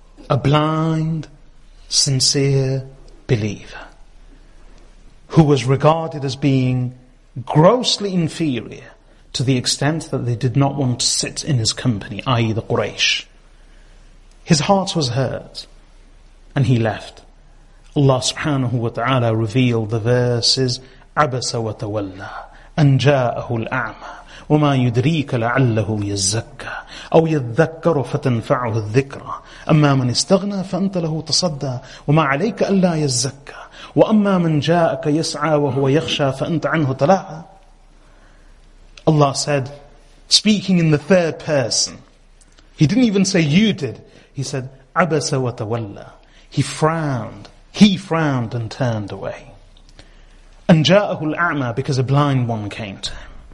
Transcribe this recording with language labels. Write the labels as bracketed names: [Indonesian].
[English] A blind, sincere believer who was regarded as being grossly inferior to the extent that they did not want to sit in his company, i.e. the Quraysh. His heart was hurt, and he left. Allah subhanahu wa ta'ala revealed the verses, [Arabic] عَبَسَ وَتَوَلَّى أَنْ جَاءَهُ الْأَعْمَى وَمَا يُدْرِيكَ لَعَلَّهُ يَزَّكَّى أَوْ يَذَّكَّرُ فَتَنْفَعُهُ الذِّكْرَى أَمَّا مَنْ اسْتَغْنَى فَأَنْتَ لَهُ تَصَدَّى وَمَا عَلَيْكَ أَلَّا يَزَّكَّى وَأَمَّا مَنْ جَاءَكَ يَسْعَى وَهُوَ يَخْشَى فَأَنْتَ عَنْهُ تَلَاهَى. [English] Allah said, speaking in the third person, he didn't even say you did, he said, [Arabic] عَبَسَ وَتَوَلَّى. [English] He frowned and turned away. [Arabic] أَنْ جَاءَهُ الْأَعْمَى, [English] because a blind one came to him.